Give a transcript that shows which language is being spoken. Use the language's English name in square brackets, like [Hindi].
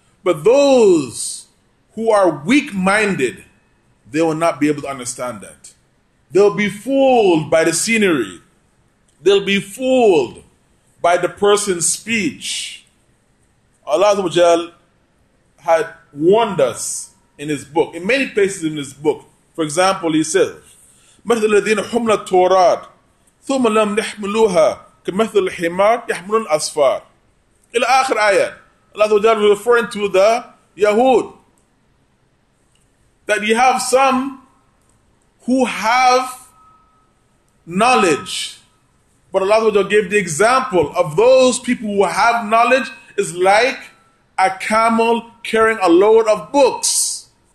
[English] But those who are weak-minded, they will not be able to understand that. They'll be fooled by the scenery. They'll be fooled by the person's speech. Allah Azza wa Jal had warned us in his book, in many places in his book. For example, he says, [Arabic] مَثَلُ الَّذِينَ حُمِلَ التَّوْرَاةَ ثُمَّ لَمْ يَحْمِلُوهَا كَمَثَلِ الْحِمَارِ يَحْمِلُ الْأَسْفَارَ. إِلَى آخِر آيَةٍ. [English] Allah Azza wa Jal referring to the Yahud, that you have some who have knowledge. But Allah gave the example of those people who have knowledge is like a camel carrying a load of books.